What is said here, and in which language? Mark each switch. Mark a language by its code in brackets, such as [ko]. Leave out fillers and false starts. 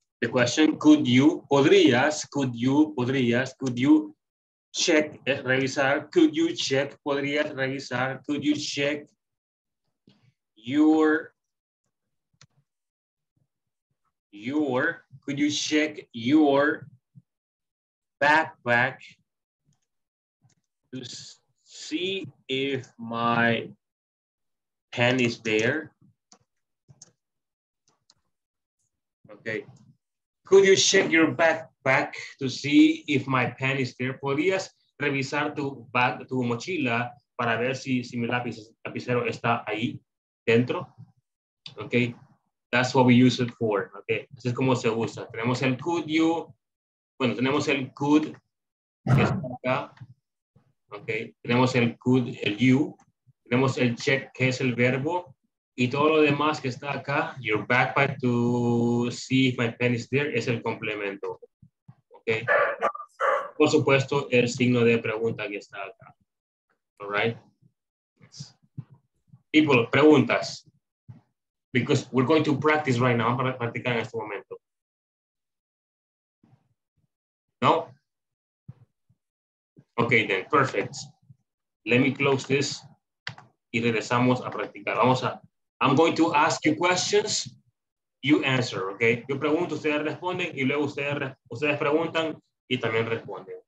[en] The question, could you, podrías, could you, podrías, could you check, [es] es revisar, [en] could you check, [es] podrías revisar, [en] could you check your, could you check your backpack to see if my pen is there? Okay. Could you check your backpack to see if my pen is there? [es] ¿Podrías revisar tu mochila para ver si mi lapicero está ahí dentro? [en] Okay, that's what we use it for. Okay, [es] así es como se usa. Tenemos el could you, bueno, tenemos el could, que está acá. Okay, tenemos el could, el you, tenemos el check, que es el verbo. Y todo lo demás que está acá, [en] your backpack to see if my pen is there, [es] es el complemento. Okay. Por supuesto, el signo de pregunta que está acá. [en] All right. Yes. People, preguntas. Because we're going to practice right now. [es] Vamos a practicar en este momento. [en] No? Okay, then. Perfect. Let me close this. [es] Y regresamos a practicar. Vamos a... [en] I'm going to ask you questions, you answer, okay? [es] Yo pregunto, ustedes responden, y luego ustedes preguntan y también responden.